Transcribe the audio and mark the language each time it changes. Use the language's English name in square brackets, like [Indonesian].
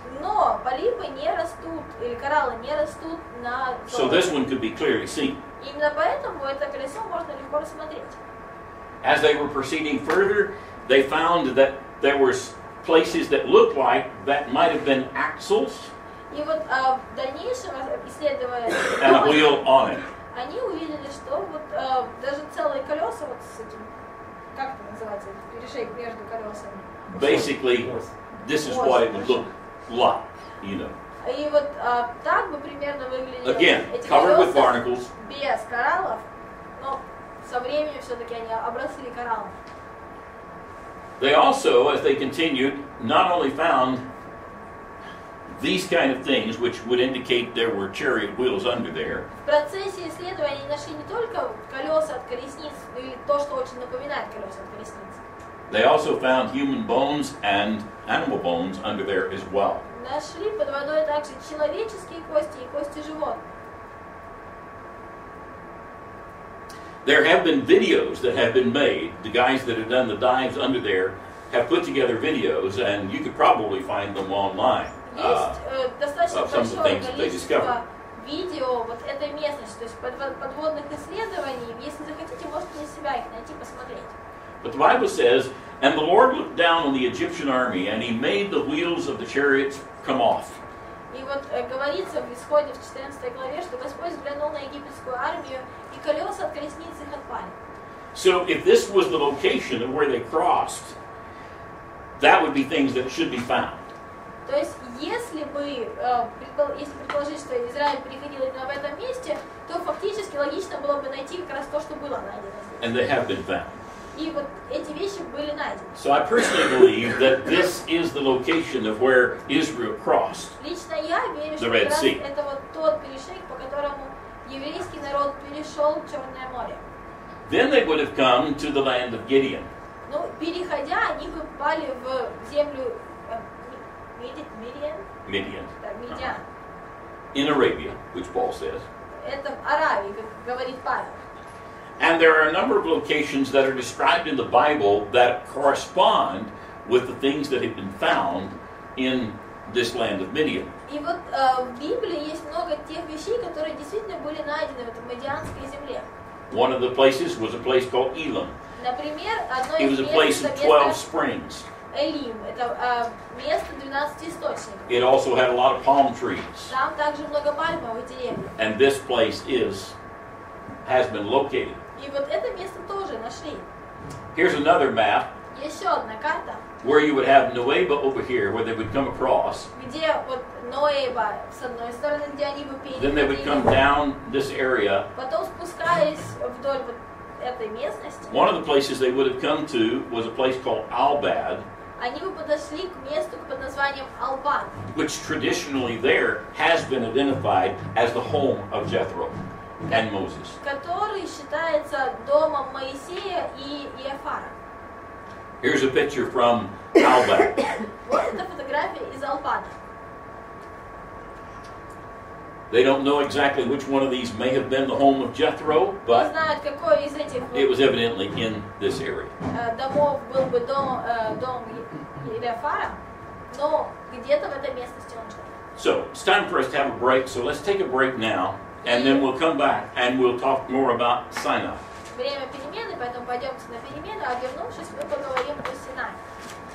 [Russian] Но полипы не растут или кораллы не растут на золоте. [English] So this one could be clearly seen. [Russian] Именно поэтому это колесо можно легко рассмотреть. [English] As they were proceeding further, they found that there were places that looked like that might have been axles. [Russian] И вот в дальнейшем исследуя, [English] and a wheel on it. [Russian] Они увидели, что вот даже целые колеса вот с этим. Как это называется? Перешейк между колесами. [English] Basically, this is what it would look like, you know. [Russian] И вот так бы примерно выглядело. [English] Again, covered with barnacles. [Russian] Без кораллов, но со временем все-таки они обросли кораллом. [English] They also, as they continued, not only found these kind of things, which would indicate there were chariot wheels under there. [Russian] В процессе исследования они нашли не только колеса от колесниц или то, что очень напоминает колеса от колесниц. [English] They also found human bones and animal bones under there as well. [Russian] Нашли под водой также человеческие кости и кости животных. [English] There have been videos that have been made. The guys that have done the dives under there have put together videos, and you could probably find them online. Of some of the things that they discovered. [Russian] Видео вот этой местности, то есть подводных исследований. Если захотите, можете для себя их найти, посмотреть. [English] But the Bible says, "And the Lord looked down on the Egyptian army, and He made the wheels of the chariots come off." [Russian] И вот говорится в исходе в 14 главе, что Господь взглянул на египетскую армию, и колеса от колесниц их отпали. [English] So if this was the location of where they crossed, that would be things that should be found. [Russian] То есть, если бы, если предположить, что Израиль приходил именно в этом месте, то фактически логично было бы найти как раз то, что было найдено здесь. [English] And they have been found. [Russian] И вот эти вещи были найдены. [English] So I personally believe that this is the location of where Israel crossed. [Russian] Лично я верю, что это вот тот перешейк, по которому еврейский народ перешел Черное море. [English] Then they would have come to the land of Gideon. [Russian] Ну, переходя, они бы попали в землю Мидиан. Мидиан. Мидиан. [English] In Arabia, which Paul says. [Russian] Это в Аравии, как говорит Павел. [English] And there are a number of locations that are described in the Bible that correspond with the things that have been found in this land of Midian. [Russian] И вот в Библии есть много тех вещей, которые действительно были найдены в этой Мидианской земле. [English] One of the places was a place called Elim. [Russian] Например, одно из мест. [English] It was a place of 12 springs. [Russian] Элим – это место 12 источников. [English] It also had a lot of palm trees. [Russian] Там также много пальмовых деревьев. [English] And this place is. Has been located. [Russian] И вот это место тоже нашли. [English] Here's another map. [Russian] Еще одна карта. [English] Where you would have Nueva over here, where they would come across. [Russian] Где вот Нуэйба с одной стороны, где они бы переходили. [English] Then they would come down this area. [Russian] Потом спускаясь вдоль вот этой местности. [English] One of the places they would have come to was a place called Albad. [Russian] Они бы подошли к месту под названием Албад. [English] Which traditionally there has been identified as the home of Jethro. And Moses. [Russian] Который считается домом Моисея и Иофара. [English] Here's a picture from Albad. [Russian] Вот эта фотография из Албада. [English] They don't know exactly which one of these may have been the home of Jethro, but [Russian] не знают, какой из этих [English] it was evidently in this area. [Russian] Домов был бы дом Иофара, но где-то в этой местности он жил. [English] So, it's time for us to have a break, so let's take a break now. And then we'll come back and we'll talk more about Sinai. [Russian] Время перемены, поэтому пойдемте на перемену, а вернувшись, мы поговорим о Синае.